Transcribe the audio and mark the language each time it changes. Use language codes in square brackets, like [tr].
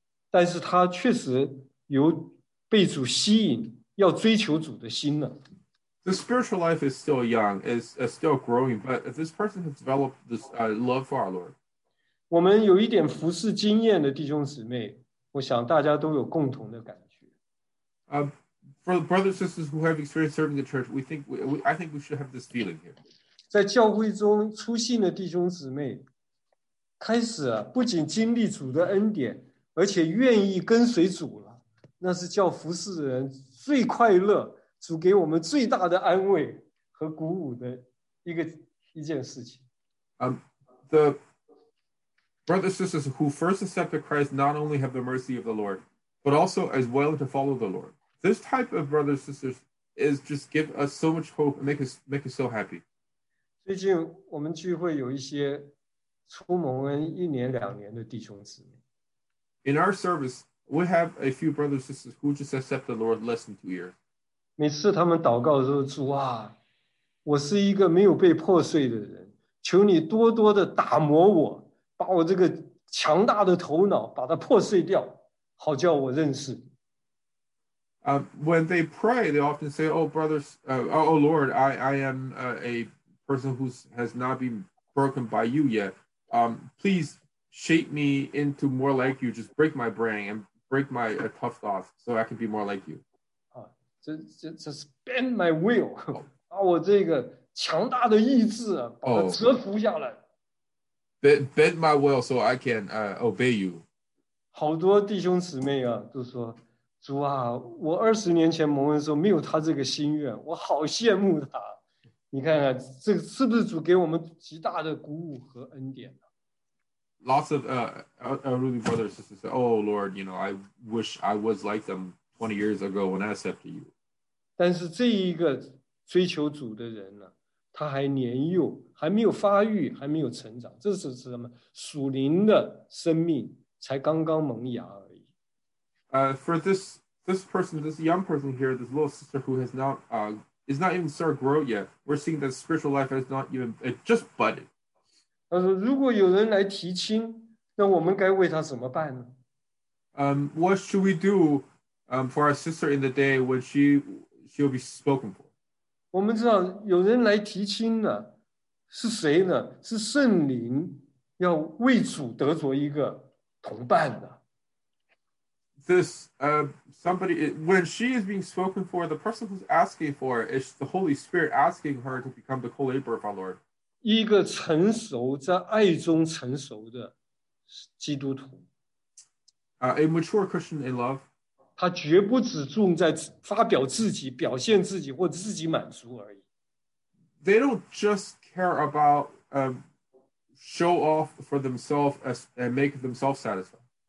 [zh] 她还是一个幼小的，都没有成长的一个生命，但是她确实 被主吸引，要追求主的心呢。 [en] The spiritual life is still young, is still growing, but this person has developed this love for our Lord. [zh] 我们有一点服事经验的弟兄姊妹，我想大家都有共同的感觉。 [en] For the brothers and sisters who have experience serving the church, I think we should have this feeling here. [zh] 在教会中出信的弟兄姊妹，开始不仅经历主的恩典，而且愿意跟随主了。那是叫服侍人最快乐，主给我们最大的安慰和鼓舞的一件事情。 [en] The brothers and sisters who first accepted Christ not only have the mercy of the Lord, but also as well to follow the Lord. This type of brothers and sisters is just give us so much hope and make us so happy. [zh] 最近我们聚会有一些出蒙恩一年两年的弟兄姊妹。 [en] In our service, we have a few brothers and sisters who just accept the Lord less than 2 years. [zh] 每次他们祷告的时候，主啊， 我是一个没有被破碎的人，求你多多的打磨我， 把我这个强大的头脑把它破碎掉， 好叫我认识。 [en] When they pray, they often say, "Oh, brothers, oh Lord, I am a person who has not been broken by you yet. Please shape me into more like you. Just break my brain and break my tough thoughts so I can be more like you." Suspend my will. Oh. [zh] 把我这个强大的意志把它折服下来。 [en] Bend my will so I can obey you. [zh] 好多弟兄姊妹啊都说， 主啊， 我20年前蒙恩的时候没有他这个心愿， 我好羡慕他。你看看， 这是不是主给我们极大的鼓舞和恩典？ [en] Lots of elderly brothers and sisters say, "Oh Lord, you know, I wish I was like them 20 years ago when I accepted you." [zh] 但是这一个追求主的人呢， 他还年幼， 还没有发育， 还没有成长， 这是什么？属灵的生命 才刚刚萌芽。 [en] For this person, this young person here, this little sister who has not is not even started grow yet, we're seeing that spiritual life has not even it just budded. [zh] 他说如果有人来提亲， 那我们该为他怎么办呢？ [en] What should we do for our sister in the day when she'll be spoken for? [zh] 我们知道有人来提亲呢，是谁呢？是圣灵要为主得着一个同伴的。 [en] This somebody, when she is being spoken for, the person who's asking for it is the Holy Spirit asking her to become the co-laborer of our Lord. [zh] 一个成熟在爱中成熟的基督徒， [en] A mature Christian in love. [zh] 他绝不只重在发表自己、表现自己或自己满足而已。 [en] They don't just care about show off for themselves and make themselves satisfied.